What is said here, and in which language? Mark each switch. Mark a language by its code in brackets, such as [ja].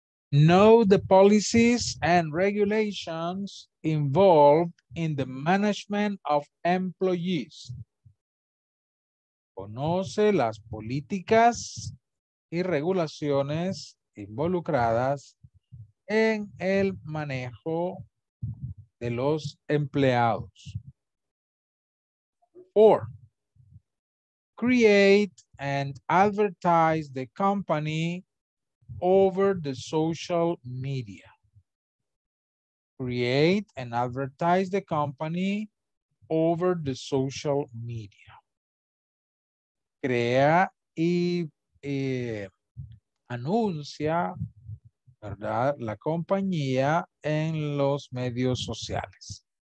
[en] Know the policies and regulations involved in the management of employees. [es] Conoce las políticas y regulaciones involucradas en el manejo de los empleados. [en] Or create and advertise the company over the social media. Create and advertise the company over the social media. [es] Crea y anuncia, ¿verdad?, la compañía en los medios sociales.